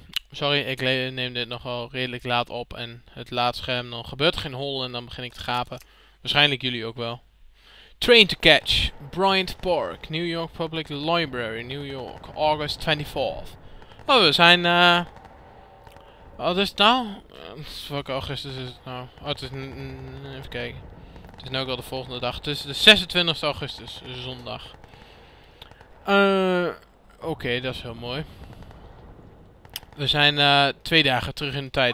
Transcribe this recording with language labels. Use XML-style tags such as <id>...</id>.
<nl>Sorry, ik neem dit nogal redelijk laat op en het laatste scherm, dan gebeurt geen hol en dan begin ik te gapen. Waarschijnlijk jullie ook wel.</nl> <en>Train to catch, Bryant Park, New York Public Library, New York, August 24th.</en> <nl>Oh, we zijn, wat is het nou? Welke augustus is het nou? Oh, het is, even kijken. Het is nu ook al de volgende dag. Het is de 26e augustus, zondag. Oké, dat is heel mooi. We zijn twee dagen terug in de tijd.</nl>